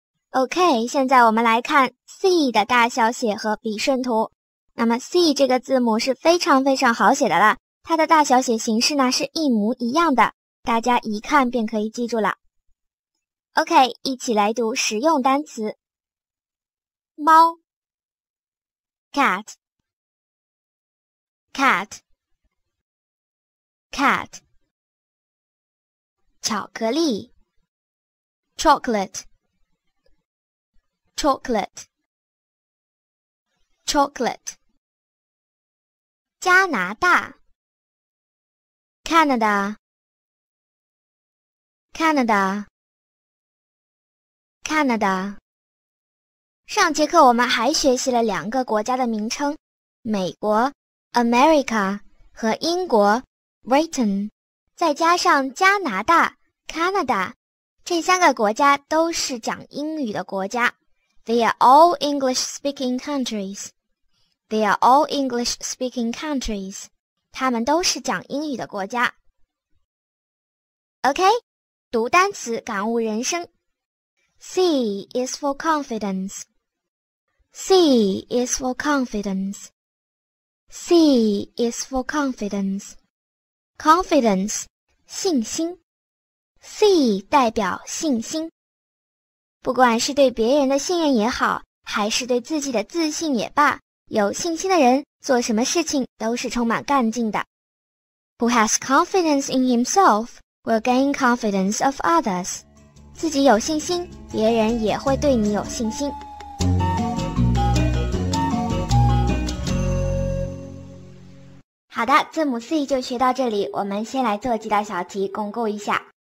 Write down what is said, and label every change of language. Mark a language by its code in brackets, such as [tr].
[zh] OK, 现在我们来看 C 的大小写和笔顺图。那么 C 这个字母是非常非常好写的啦，它的大小写形式呢是一模一样的，大家一看便可以记住了。 OK, 一起来读实用单词。 [en] 猫cat, cat, cat, 巧克力 chocolate, chocolate, chocolate, 加拿大 Canada, Canada, Canada。 [zh] 上节课我们还学习了两个国家的名称，美国 America 和英国 Britain, 再加上加拿大 Canada, 这三个国家都是讲英语的国家。 [en] They are all English speaking countries. They are all English speaking countries. [zh] 他们都是讲英语的国家。 [en] OK, [zh] 读单词感悟人生。 [en] C is for confidence. C is for confidence. C is for confidence. [zh] Confidence, 信心。C 代表信心。不管是对别人的信任也好，还是对自己的自信也罢，有信心的人做什么事情都是充满干劲的。 [en] Who has confidence in himself will gain confidence of others. [zh] 自己有信心，别人也会对你有信心。好的，字母 C 就学到这里，我们先来做几道小题，巩固一下。